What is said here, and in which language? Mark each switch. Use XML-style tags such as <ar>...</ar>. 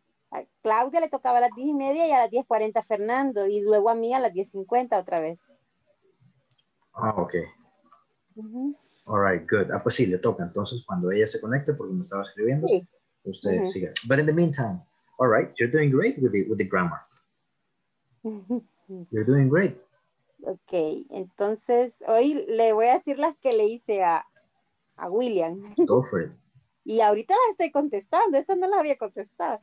<es>A Claudia le tocaba a las 10:30 y a las 10:40 a Fernando. Y luego a mí a las 10:50 otra vez. Ah, ok. Uh-huh.</es> <en>All right, good.</en> <es>Ah, pues sí, le toca. Entonces, cuando ella se conecte, porque me estaba escribiendo, sí, usted uh-huh sigue.</es> <en>But in the meantime, all right, you're doing great with the grammar. You're doing great.</en> <es>Ok, entonces hoy le voy a decir las que le hice a William.</es> <en>Go for it.</en> <es>Y ahorita las estoy contestando, esta no la había contestado.</es>